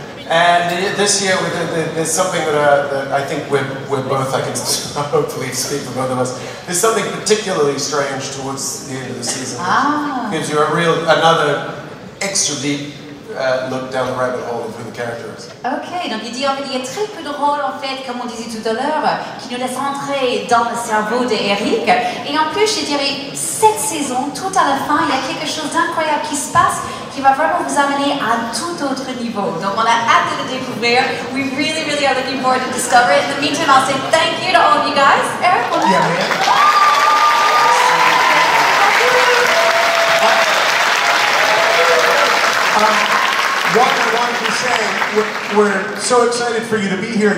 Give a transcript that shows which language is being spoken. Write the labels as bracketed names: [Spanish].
[English] And this year, there's something that I think we're both, I can hopefully speak for both of us, there's something particularly strange towards the end of the season. Gives you another extra deep look down the rabbit hole of who the character is. [French] Okay, donc il dit en fait, il y a très peu de rôles, en fait, comme on disait tout à l'heure, qui nous laissent entrer dans le cerveau d'Eric. Et en plus, je dirais, cette saison, tout à la fin, il y a quelque chose d'incroyable qui se passe, qui va vraiment vous amener à un tout autre niveau. Donc on a hâte de le découvrir. [English] We really, really are looking forward to discover it. In the meantime, I'll say thank you to all of you guys. Eric, Yeah. What I wanted to say, we're so excited for you to be here.